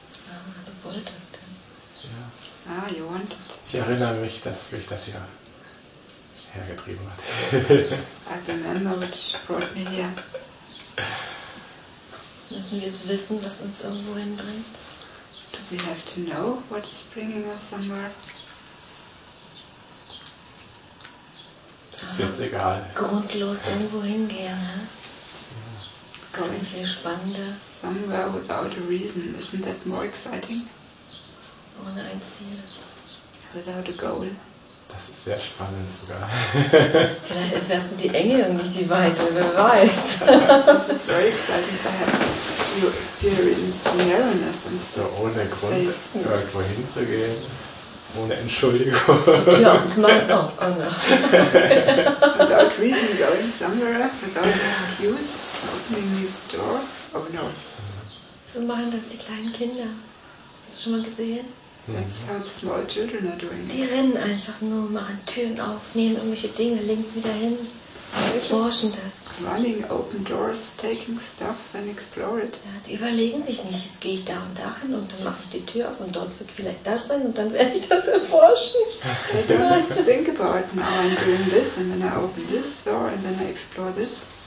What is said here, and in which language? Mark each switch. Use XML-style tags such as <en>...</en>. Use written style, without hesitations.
<de>Ah, du wolltest denn. Ja.</de> <en>Ah, you wanted.</en> <de>Ich erinnere mich, dass mich das hier hergetrieben hat.</de> <en>I remember which brought me here.</en> <de>Müssen wir es wissen, was uns irgendwo hinbringt?</de> <en>Do we have to know what is bringing us somewhere?</en> <de>Ist jetzt egal. Grundlos irgendwo hingehen, hä? Going viel spannender.</de> <en>Somewhere without a reason, isn't that more exciting?</en> <de>Ohne ein Ziel.</de> <en>Without a goal.</en> <de>Das ist sehr spannend sogar. Vielleicht erfährst du die Enge und nicht die Weite, wer weiß.</de> <en>This is very exciting, perhaps you experience the narrowness and</en> <de>so. Ohne Grund irgendwo hinzugehen. Ohne Entschuldigung. Ja, das macht auch. Oh, no.</de> <en>Without reason going somewhere, without excuse, opening the door. Oh no.</en> <de>So machen das die kleinen Kinder. Hast du schon mal gesehen?</de> <en>That's how small children are doing.</en> <de>Die rennen einfach nur, machen Türen auf, nehmen irgendwelche Dinge links wieder hin. Forschen das.</de> <en>Running open doors, taking stuff and explore it.</en> <de>Ja, die überlegen sich nicht, jetzt gehe ich da und da hin und dann mache ich die Tür auf und dort wird vielleicht das sein und dann werde ich das erforschen.</de> <en>I don't think about now I'm doing this and then I open this door and then I explore this.</en>